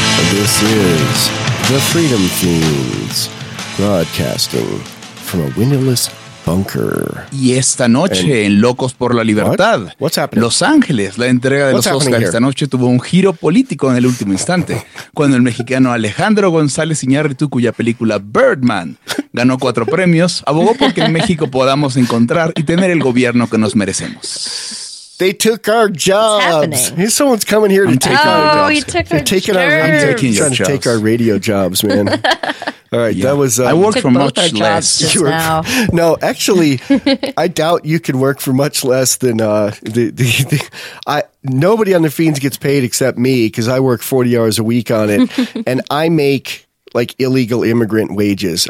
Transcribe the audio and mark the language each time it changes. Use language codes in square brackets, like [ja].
[en] This is The Freedom Fiends, broadcasting from a windowless bunker. [es] Y esta noche en Locos por la Libertad. [en] What? What's happening? [es] Los Ángeles, la entrega de los Oscars esta noche tuvo un giro político en el último instante, cuando el mexicano Alejandro González Iñárritu, cuya película Birdman ganó 4 premios, abogó porque en México podamos encontrar y tener el gobierno que nos merecemos. [en] They took our jobs. Someone's coming here to take our radio jobs, man. All right, that was I worked for much less. No, actually, I doubt you could work for much less than nobody on the Fiends gets paid except me because I work 40 hours a week on it, and I make like illegal immigrant wages.